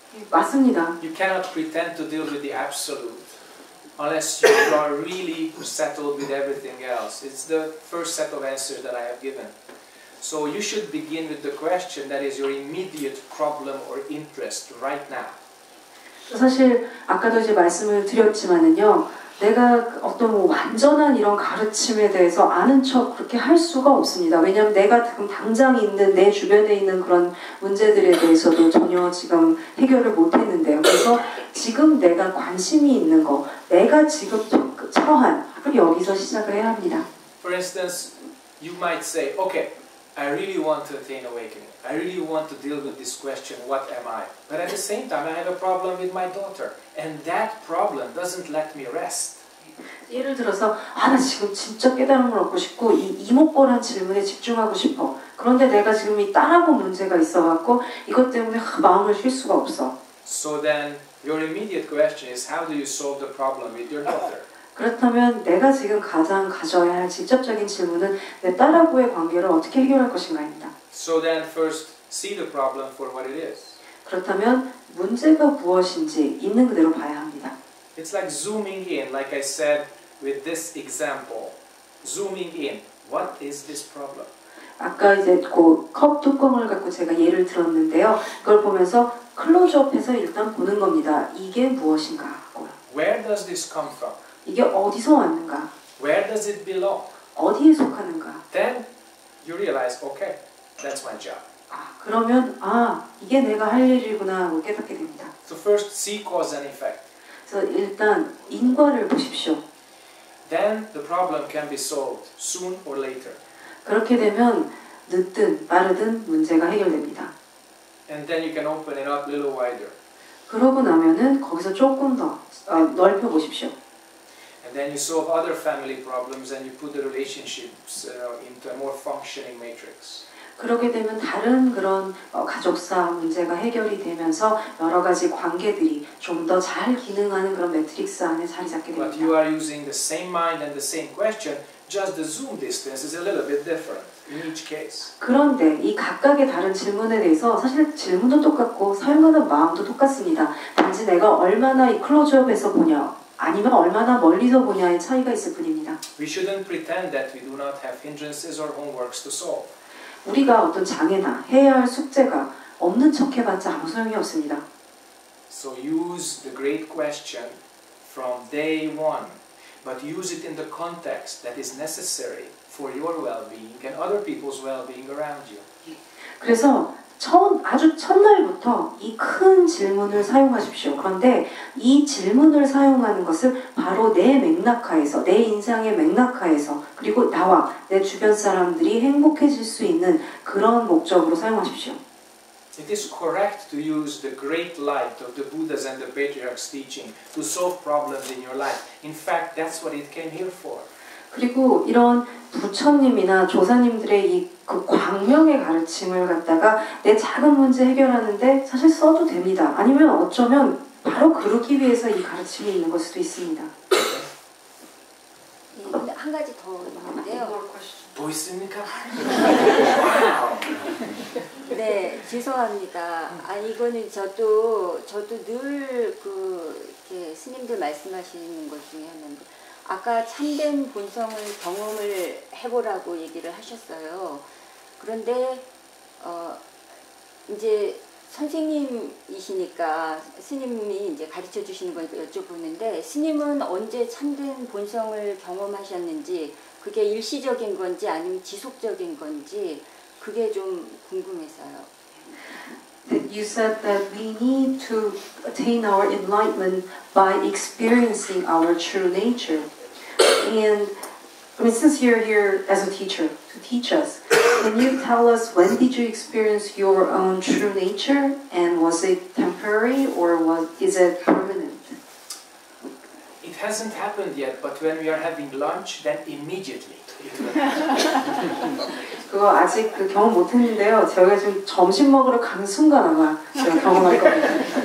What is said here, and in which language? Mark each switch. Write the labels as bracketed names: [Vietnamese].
[Korean] 맞습니다. [English] You cannot pretend to deal with the absolute unless you are really settled with everything else. It's the first set of answers that I have given. So you should begin with the question that is your immediate problem or interest right now. [Korean] 사실 아까도 이제 말씀을 드렸지만은요, 내가 어떤 완전한 이런 가르침에 대해서 아는 척 그렇게 할 수가 없습니다. 왜냐하면 내가 지금 당장 있는 내 주변에 있는 그런 문제들에 대해서도 전혀 지금 해결을 못했는데요. 그래서 지금 내가 관심이 있는 거, 내가 지금 처한 그걸 여기서 시작을 해야 합니다. [English] For instance, you might say, okay, I really want to attain awakening. I really want to deal with this question, what am I? But at the same time, I have a problem with my daughter. And that problem doesn't let me rest. [Korean] 예를 들어서, 아, 나 지금 진짜 깨달음을 얻고 싶고, 이 이목고란 질문에 집중하고 싶어. 그런데 내가 지금 이 딸하고 문제가 있어갖고, 이것 때문에 마음을 쉴 수가 없어. [English] So then, your immediate question is, how do you solve the problem with your daughter? [Korean] 그렇다면 내가 지금 가장 가져야 할 직접적인 질문은 내 딸하고의 관계를 어떻게 해결할 것인가입니다. [English] So then first see the problem for what it is. [Korean] 그렇다면 문제가 무엇인지 있는 그대로 봐야 합니다. [English] It's like zooming in, like I said with this example. Zooming in. What is this problem? [Korean] 아까 이제 그 컵 뚜껑을 갖고 제가 예를 들었는데요. 그걸 보면서 클로즈업해서 일단 보는 겁니다. 이게 무엇인가 하고요. [English] Where does this come from? [Korean] 이게 어디서 왔는가? [English] Where does it belong? [Korean] 어디에 속하는가? [English] Then you realize, okay, that's my job. [Korean] 아, 그러면 아, 이게 내가 할 일이구나 하고 깨닫게 됩니다. [English] So first see cause and effect. [Korean] 그래서 일단 인과를 보십시오. [English] Then the problem can be solved soon or later. [Korean] 그렇게 되면 늦든 빠르든 문제가 해결됩니다. [English] And then you can open it up a little wider. [Korean] 그러고 나면은 거기서 조금 더 넓혀 보십시오. [English] And then you solve other family problems and you put the relationships into a more functioning matrix. [Korean] 그렇게 되면 다른 그런 가족사 문제가 해결이 되면서 여러 가지 관계들이 좀 더 잘 기능하는 그런 매트릭스 안에 자리 잡게 됩니다. [English] But you are using the same mind and the same question, just the zoom distance is a little bit different. In each case. [Korean] 그런데 이 각각의 다른 질문에 대해서 사실 질문도 똑같고 사용하는 마음도 똑같습니다. 단지 내가 얼마나 이 클로즈업에서 보냐 아니면 얼마나 멀리서 보냐의 차이가 있을 뿐입니다. [English] We shouldn't pretend that we do not have hindrances or homeworks to solve. [Korean] 우리가 어떤 장애나 해야 할 숙제가 없는 척 해봤자 아무 소용이 없습니다. [English] So use the great question from day one, but use it in the context that is necessary for your well-being and other people's well-being around you. [Korean] 그래서 처음 아주 첫날부터 이 큰 질문을 사용하십시오. 그런데 이 질문을 사용하는 것을 바로 내 맥락하에서, 내 인상의 맥락하에서 그리고 나와 내 주변 사람들이 행복해질 수 있는 그런 목적으로 사용하십시오. [English] It is correct to use the great light of the Buddha's and the patriarch's teaching to solve problems in your life. In fact, that's what it came here for. [Korean] 그리고 이런 부처님이나 조사님들의 이 그 광명의 가르침을 갖다가 내 작은 문제 해결하는데 사실 써도 됩니다. 아니면 어쩌면 바로 그러기 위해서 이 가르침이 있는 것 수도 있습니다. 네, 근데 한 가지 더 있는데요. 더 있습니까? 네, 죄송합니다. 아니 이거는 저도 늘 그 이렇게 스님들 말씀하시는 것 중에 하나인데 아까 참된 본성을 경험을 해보라고 얘기를 하셨어요. 그런데 이제 선생님이시니까 스님이 이제 가르쳐 주시는 거니까 여쭤보는데 스님은 언제 참된 본성을 경험하셨는지 그게 일시적인 건지 아니면 지속적인 건지 그게 좀 궁금해서요. [English] You said that we need to attain our enlightenment by experiencing our true nature. And I mean, since you're here as a teacher to teach us, can you tell us when did you experience your own true nature, and was it temporary or is it permanent? It hasn't happened yet, but when we are having lunch, then immediately. [Korean] 그거 아직 그 경험 못했는데요. 제가 지금 점심 먹으러 가는 순간 아마 제가 경험할 겁니다.